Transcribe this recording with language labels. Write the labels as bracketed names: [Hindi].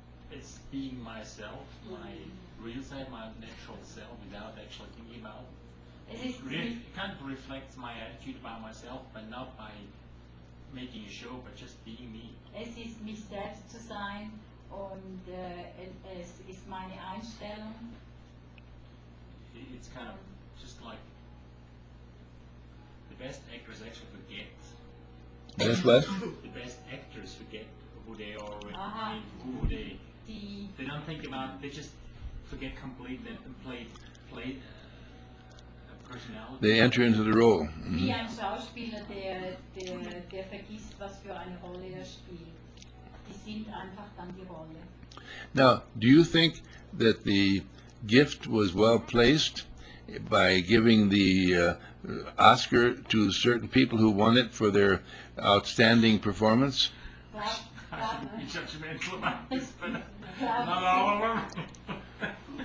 [English] It's being myself, my real self, my natural self, without actually thinking about it. It kind of reflects my attitude about myself, but not by making a show, but just being me. [German] Es ist mich selbst zu sein und es ist meine Einstellung. [English] It's kind of just like the best actors actually forget. Yes, what? The best actors forget who they are and who they. They don't think about. They just forget completely and play a personality. They enter into the role. [German] Wie ein Schauspieler, der vergisst, was für eine Rolle spielt. Die sind einfach dann die Rolle. [English] Now, do you think that the gift was well placed by giving the Oscar to certain people who won it for their outstanding performance? I shouldn't be judgmental about this, but not all of them.